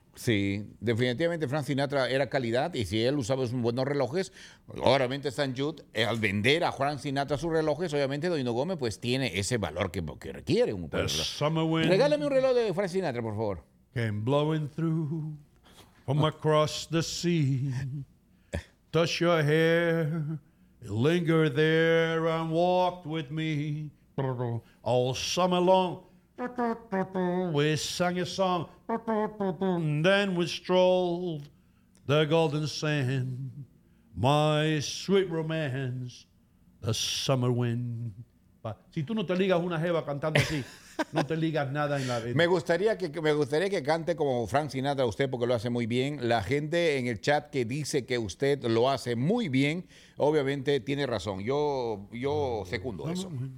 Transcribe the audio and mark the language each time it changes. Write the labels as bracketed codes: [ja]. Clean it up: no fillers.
[es] Sí, definitivamente Frank Sinatra era calidad y si él usaba esos buenos relojes, obviamente St. Jude, al vender a Frank Sinatra sus relojes, obviamente Donino Gómez pues tiene ese valor que requiere un reloj. Regálame un reloj de Frank Sinatra, por favor. [en] Came blowing through from across the sea. Touch your hair, linger there and walked with me all summer long. We sang a song, and then we strolled the golden sand, my sweet romance, the summer wind. [es] Si tú no te ligas una jeva cantando así, no te ligas nada en la vida. Me gustaría que cante como Frank Sinatra usted, porque lo hace muy bien. La gente en el chat que dice que usted lo hace muy bien, obviamente tiene razón. Yo secundo eso.